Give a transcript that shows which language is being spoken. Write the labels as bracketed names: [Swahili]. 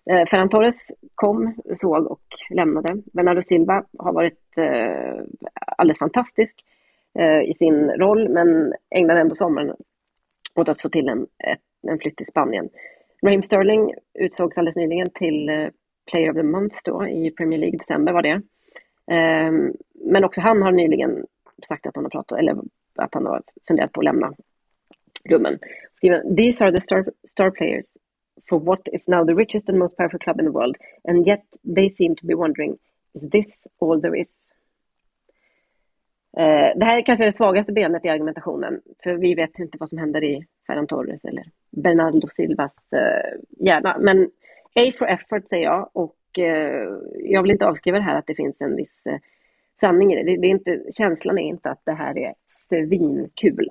[Swedish] Ferran Torres kom, såg och lämnade. Bernardo Silva har varit alldeles fantastisk i sin roll, men ägnade ändå sommaren åt att få till en flytt till Spanien. Raheem Sterling utsågs alldeles nyligen till Player of the Month då, i Premier League, december var det. Men också han har nyligen sagt att han har pratat, eller att han har funderat på att lämna rummen. [English] Skriven, these are the star players for what is now the richest and most powerful club in the world, and yet they seem to be wondering, is this all there is? [Swedish] Det här är kanske det svagaste benet i argumentationen, för vi vet inte vad som händer i Ferran Torres eller Bernardo Silvas hjärna. Men [English] A for effort, [Swedish] säger jag. Och jag vill inte avskriva det här att det finns en viss sanning i det. Det är inte, känslan är inte att det här är svinkul.